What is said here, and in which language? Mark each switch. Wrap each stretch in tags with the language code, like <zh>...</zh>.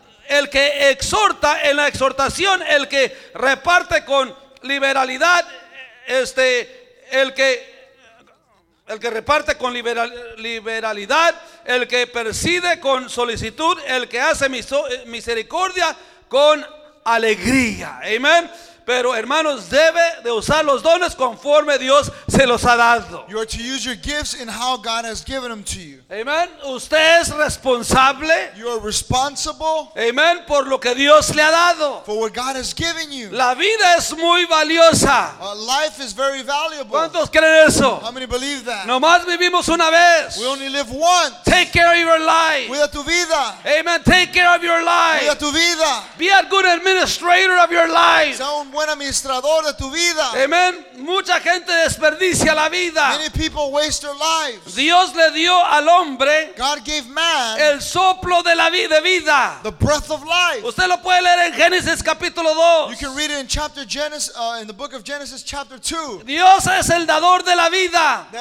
<es>el que exhorta en la exhortación, el que reparte con liberalidad, el que reparte con liberalidad, el que preside con solicitud, el que hace misericordia con alegría. Amén. Pero hermanos, debe de usar los dones conforme Dios se los ha dado.</es> <en>You are to use your gifts in how God has given them to you.</en> <es>Amen. Usted es responsable.</es> <en>You are responsible.</en> <es>Amen. Por lo que Dios le ha dado.</es> <en>For what God has given you.</en> <es>La vida es muy valiosa.</es> <en>Life is very valuable.</en> <es>¿Cuántos creen eso?</es> <en>How many believe that?</en> <es>Nomás vivimos una vez.</es> <en>We only live once. Take care of your life.</en> <es>Cuida tu vida.</es> <en>Amen. Take care of your life.</en> <es>Cuida tu vida.</es> <en>Be a good administrator of your life.</en> <es>Un buen administrador de tu vida. Amen. Mucha gente desperdicia la vida.</es> <en>Many people waste their lives.</en> <es>Dios le dio al hombre,</es> <en>God gave man,</en> <es>el soplo de la vida,</es> <en>the breath of life.</en> <es>Usted lo puede leer en Génesis capítulo 2.</es> <en>You can read it in in the book of Genesis chapter 2.</en> <es>Dios es el dador de la vida.</es>